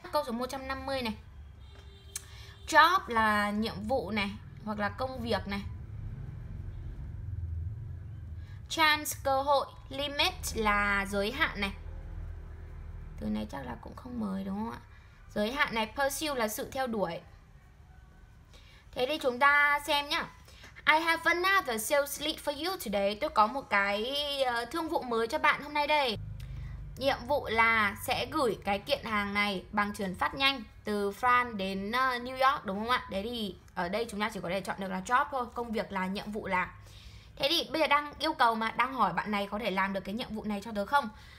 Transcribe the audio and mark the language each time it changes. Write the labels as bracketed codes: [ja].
[vi] Câu số 150 này. Job là nhiệm vụ này hoặc là công việc này. Chance cơ hội, limit là giới hạn này. Từ này chắc là cũng không mới đúng không ạ? Giới hạn này, pursue là sự theo đuổi. Thế thì chúng ta xem nhá. [en] I have another sales lead for you today. [vi] Tôi có một cái thương vụ mới cho bạn hôm nay đây. Nhiệm vụ là sẽ gửi cái kiện hàng này bằng chuyển phát nhanh từ France đến New York đúng không ạ? Đấy thì ở đây chúng ta chỉ có thể chọn được là job thôi, công việc là nhiệm vụ là. Thế thì bây giờ đang yêu cầu mà, đang hỏi bạn này có thể làm được cái nhiệm vụ này cho tớ không?